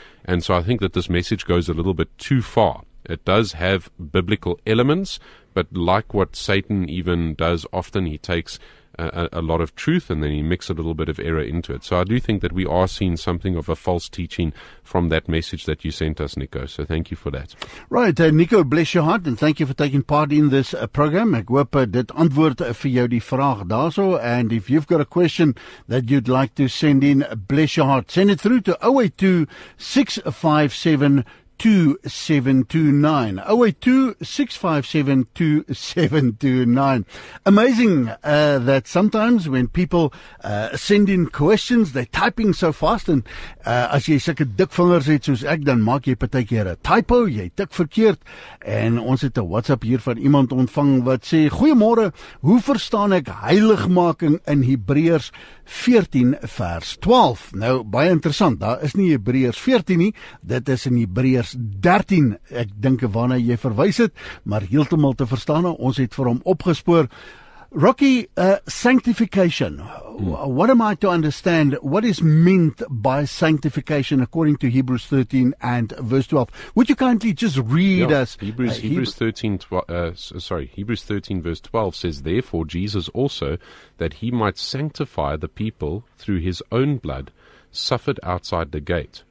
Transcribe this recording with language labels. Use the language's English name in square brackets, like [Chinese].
[English] And so I think that this message goes a little bit too far. It does have biblical elements, but like what Satan even does often, he takes a lot of truth and then he mixes a little bit of error into it. So I do think that we are seeing something of a false teaching from that message that you sent us, Nico. So thank you for that. Right, Nico, bless your heart, and thank you for taking part in this program. [Afrikaans] Ek hoop dit antwoord vir jou die vraag daarso. [English] And if you've got a question that you'd like to send in, bless your heart, send it through to 082-657-2729. Amazing that sometimes when people send in questions, they're typing so fast, and [Afrikaans] as jy sulke dik vingers het soos ek, dan maak jy partykeer 'n typo, jy tik verkeerd. En ons het 'n WhatsApp hier van iemand ontvang wat sê, goeiemôre, hoe verstaan ek heiligmaking in Hebreërs 14 vers 12? Nou, baie interessant, daar is nie Hebreërs 14 nie, dit is in Hebreërs 13, ek dink waarna jy verwys het, maar heeltemal te verstaan, ons het vir hom opgespoor. [English] Rocky, sanctification. What am I to understand? What is meant by sanctification according to Hebrews 13 and verse 12? Would you kindly just read us? Hebrews 13 verse 12 says, "Therefore Jesus also, that he might sanctify the people through his own blood, suffered outside the gate.